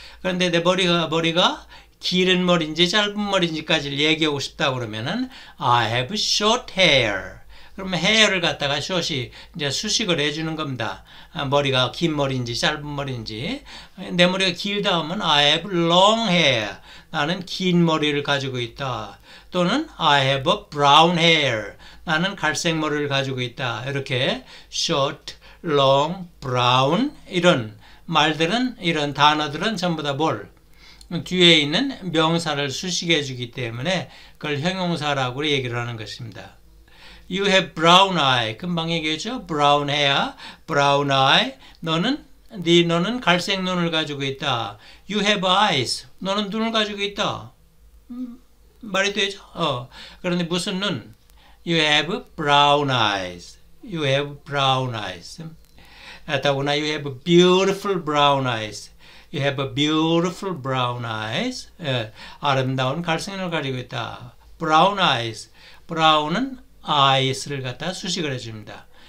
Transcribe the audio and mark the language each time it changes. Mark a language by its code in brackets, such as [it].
[ko] 그런데 내 머리가 길은 머리인지 짧은 머리인지까지를 얘기하고 싶다 그러면은 [en] I have short hair. [ko] 그러면 hair를 갖다가 short이 이제 수식을 해주는 겁니다. 머리가 긴 머리인지 짧은 머리인지. 내 머리가 길다 하면 [en] I have long hair. [ko] 나는 긴 머리를 가지고 있다. [en] 또는 I have a brown hair. [ko] 나는 갈색 머리를 가지고 있다. 이렇게 short, long, brown 이런 말들은 이런 단어들은 전부 다 뭘? 뒤에 있는 명사를 수식해 주기 때문에 그걸 형용사라고 얘기를 하는 것입니다. [en] You have brown eye. [ko] 금방 얘기했죠? [en] Brown hair, brown eye. [ko] 너는 갈색 눈을 가지고 있다. [en] You have eyes. [ko] 너는 눈을 가지고 있다. 말이 되죠? 그런데 무슨 눈? [en] You have brown eyes. You have brown eyes. [ko] 더구나 [en] you have beautiful brown eyes. You have a beautiful brown eyes. [ko] 아름다운 갈색 눈을 가지고 있다. [en] Brown eyes. [ko] Brown은 eyes를 갖다 수식을 해줍니다.